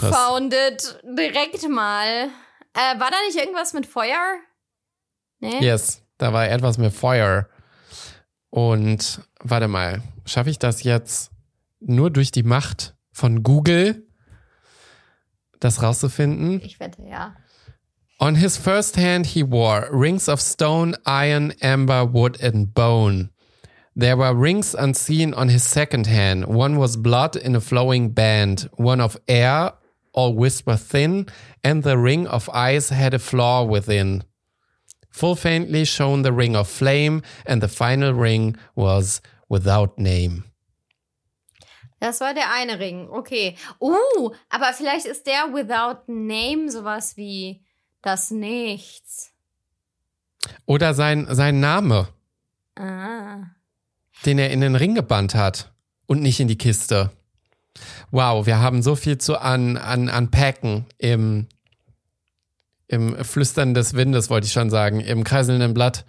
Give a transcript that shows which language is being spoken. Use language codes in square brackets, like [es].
[en] Dumbfounded, [de] direkt mal. War da nicht irgendwas mit Feuer? Nee? Yes, da war etwas mit Feuer. Und warte mal, schaffe ich das jetzt nur durch die Macht von Google, das rauszufinden? Ich wette, ja. [en] On his first hand he wore rings of stone, iron, amber, wood and bone. There were rings unseen on his second hand. One was blood in a flowing band, one of air, all whisper thin, and the ring of ice had a flaw within. Full faintly shone the ring of flame, and the final ring was without name. [de] Das war der eine Ring, okay. Aber vielleicht ist der [en] without name [de] sowas wie das Nichts. Oder sein Name. Den er in den Ring gebannt hat und nicht in die Kiste. Wow, wir haben so viel zu unpacken im Flüstern des Windes, wollte ich schon sagen, im kreiselnden Blatt.